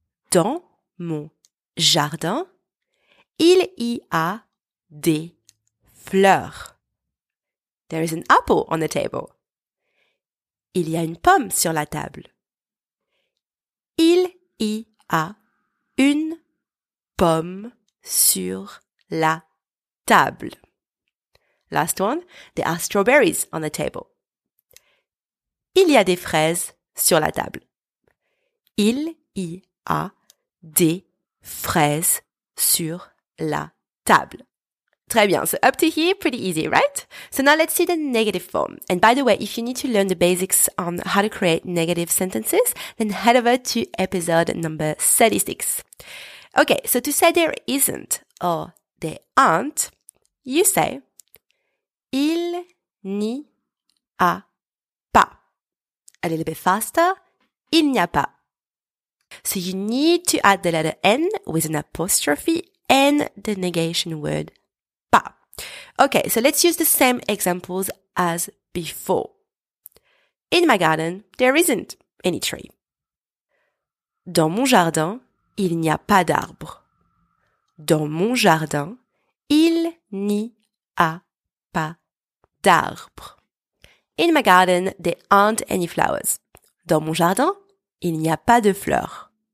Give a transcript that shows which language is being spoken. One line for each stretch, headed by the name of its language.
French: Dans mon jardin, il y a des fleurs.
English: There is an apple on the table.
French: Il y a une pomme sur la table. Il y a une pomme sur la table.
English: Last one, there are strawberries on the table.
French: Il y a des fraises sur la table. Il y a des fraises sur la table. Très bien.
English: So up to here, pretty easy, right? So now let's see the negative form. And by the way, if you need to learn the basics on how to create negative sentences, then head over to episode number 36. Okay, so to say there isn't or there aren't, you say
French: il n'y a pas.
English: A little bit faster,
French: il n'y a pas.
English: So you need to add the letter N with an apostrophe and the negation word pas. Okay, so let's use the same examples as before. In my garden, there isn't any tree.
French: Dans mon jardin, il n'y a pas d'arbre. Dans mon jardin, il n'y a pas d'arbre.
English: In my garden, there aren't any flowers.
French: Dans mon jardin, il n'y a pas de fleurs.